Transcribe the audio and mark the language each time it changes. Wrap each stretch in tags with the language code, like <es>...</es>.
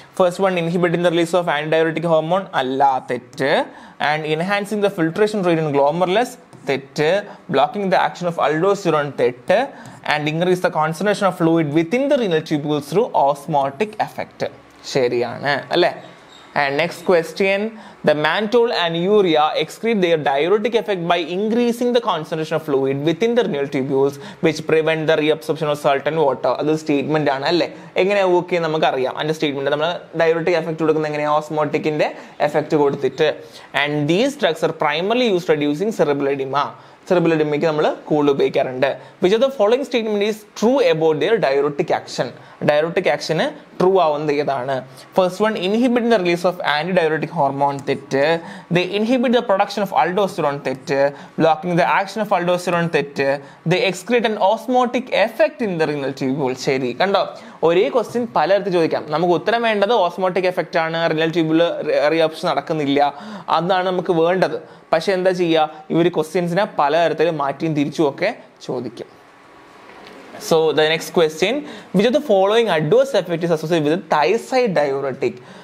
<en>first one, inhibiting the release of anti diuretic hormone,</en> <ml>അല്ല, തെറ്റ്.</ml> <en>And enhancing the filtration rate in glomerulus, തെറ്റ്. Blocking the action of aldosterone, തെറ്റ്. And increase the concentration of fluid within the renal tubules through osmotic effect,</en> <ml>ശരിയാണ് അല്ലേ.</ml> <en>And next question, the mannitol and urea excrete their diuretic effect by increasing the concentration of fluid within the renal tubules which prevent the reabsorption of salt and water. That is the statement, right?</en> <ml>എങ്ങനെ okay നമുക്ക് അറിയാം. അതിൻ്റെ statement, നമ്മൾ direct effect കൊടുക്കുന്ന എങ്ങനെ, ഓസ്മോട്ടിക്കിൻ്റെ effect കൊടുത്തിട്ട്.</ml> <en>and these drugs are primarily use reducing cerebral oedema,</en> <ml>cerebral എഡിമയ്ക്ക് നമ്മൾ കൂടുതൽ ഉപയോഗിക്കാറുണ്ട്.</ml> <en>which of the following statement is true about their diuretic action,</en> <ml>diuretic action true ആവുന്നത് ഏതാണ്.</ml> <en>First one, inhibit the release of anti diuretic hormone, തെറ്റ്. The inhibit the production of aldosterone, തെറ്റ്. Blocking the action of aldosterone, തെറ്റ്. The excrete and osmotic effect in the renal tubule, ശരി.</en> <ml>കണ്ടോ, ഒരേ question പലയിടത്ത് ചോദിക്കാം. നമുക്ക് ഉത്തരം വേണ്ടത് ഓസ്മോട്ടിക് എഫക്റ്റ് ആണ്, റിനൽ ട്യൂബിള് റിയാപ്ഷൻ നടക്കുന്നില്ല, അതാണ് നമുക്ക് വേണ്ടത്. പക്ഷെ എന്താ ചെയ്യുക, ഇവർ ക്വസ്റ്റ്യൻസിനെ പലതരത്തിൽ മാറ്റിയും തിരിച്ചുമൊക്കെ ചോദിക്കും.</ml> <en>So the next question, which of the following adverse effects is associated with thiazide diuretic?</en>